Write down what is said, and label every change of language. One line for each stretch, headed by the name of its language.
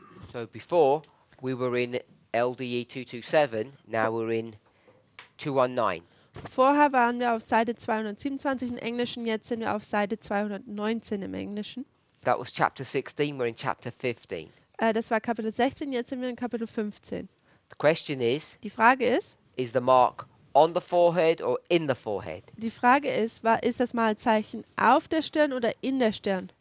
English: So before we were in LDE 227, now we're in 219.
German: Vorher waren wir auf Seite 227 im Englischen, jetzt sind wir auf Seite 219 im Englischen.
English: That was chapter 16, we're in chapter 15.
German: Das war Kapitel 16, jetzt sind wir in Kapitel 15.
English: The question is,
German: die Frage ist,
English: is the mark on the forehead or in the forehead?
German: Die Frage ist, ist das Malzeichen auf der Stirn oder in der Stirn?